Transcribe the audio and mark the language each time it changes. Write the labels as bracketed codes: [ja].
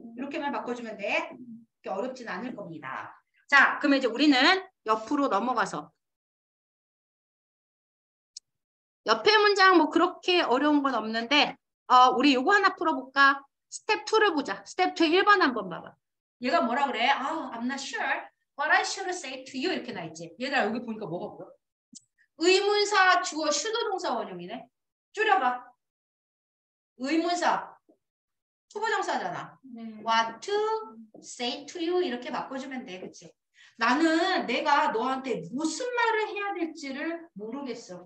[ko] 이렇게만 바꿔주면 돼. 그렇게 어렵진 않을 겁니다. 자, 그러면 이제 우리는 옆으로 넘어가서 옆에 문장 뭐 그렇게 어려운 건 없는데 우리 요거 하나 풀어볼까? 스텝 2를 보자. 스텝 2 1번 한번 봐봐. 얘가 뭐라 그래? [en] I'm not sure what I should say to you [ko] 이렇게 나 있지. 얘들아 여기 보니까 뭐가 보여? 의문사 주어 슈도 동사 원형이네. 줄여봐. 의문사 투부정사잖아. [en] What to say to you [ko] 이렇게 바꿔주면 돼. 그치? 나는 내가 너한테 무슨 말을 해야 될지를 모르겠어.